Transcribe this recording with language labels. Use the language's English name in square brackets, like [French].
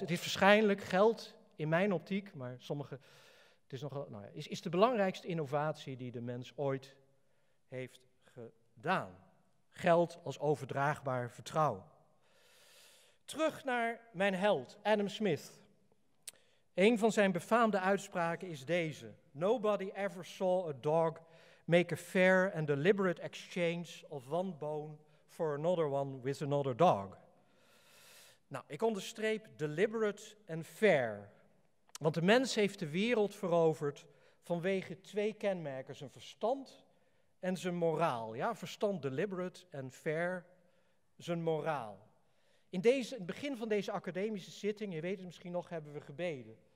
[Dutch] Het is waarschijnlijk geld in mijn optiek, maar sommige, het is, nogal, nou ja, is de belangrijkste innovatie die de mens ooit heeft gedaan. Geld als overdraagbaar vertrouwen. Terug naar mijn held, Adam Smith. Een van zijn befaamde uitspraken is deze. [English] Nobody ever saw a dog make a fair and deliberate exchange of one bone for another one with another dog. [Dutch] Nou, ik onderstreep [English] deliberate and fair. [Dutch] Want de mens heeft de wereld veroverd vanwege twee kenmerken. Zijn verstand en zijn moraal. Ja, verstand [English] deliberate and fair, [Dutch] zijn moraal. In het begin van deze academische zitting, je weet het misschien nog, hebben we gebeden.